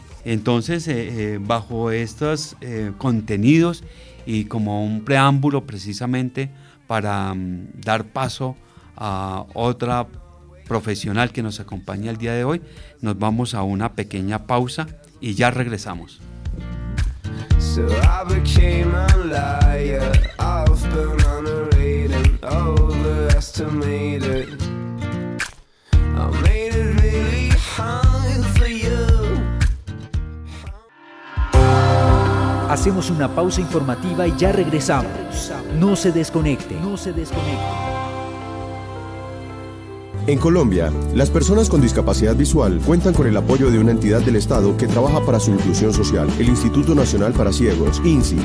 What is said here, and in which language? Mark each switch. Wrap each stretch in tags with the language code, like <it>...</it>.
<es>Entonces, bajo estos contenidos y como un preámbulo precisamente para dar paso a otra profesional que nos acompaña el día de hoy, nos vamos a una pequeña pausa y ya regresamos.</es> <en>So I became a liar. I've been underrated, overestimated. I made it really hard for you.</en> <es>Hacemos una pausa informativa y ya regresamos. No se desconecte. No se desconecte. En Colombia, las personas con discapacidad visual cuentan con el apoyo de una entidad del Estado que trabaja para su inclusión social, el Instituto Nacional para Ciegos, INSI.</es>